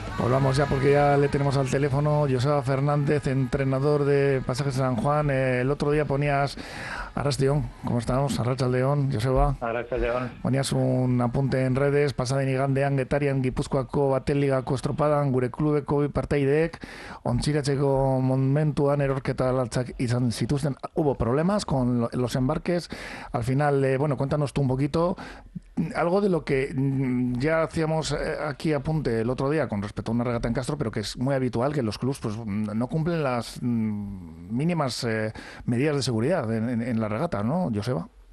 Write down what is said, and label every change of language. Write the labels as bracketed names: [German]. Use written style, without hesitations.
[Spanish] Vamos ya, porque ya le tenemos al teléfono. Joseba Fernández, entrenador de Pasajes San Juan. El otro día ponías Arrastión, ¿cómo estamos? Arrachaldeón, Joseba. Arrachaldeón. Ponías un apunte en redes. [Basque] Pasaden igandean, Getarian, Gipuzkoako, Bateligako, Estropadan, gure klubeko bipartaideek, ontziratzeko momentuan erorketa latzak izan zituzten. [Spanish] Hubo problemas con los embarques. Al final, bueno, cuéntanos tú un poquito. Algo de lo que ya hacíamos aquí apunte el otro día con respecto a una regata en Castro, pero que es muy habitual que los clubs pues no cumplen las mínimas medidas de seguridad en la regata, ¿no, Joseba?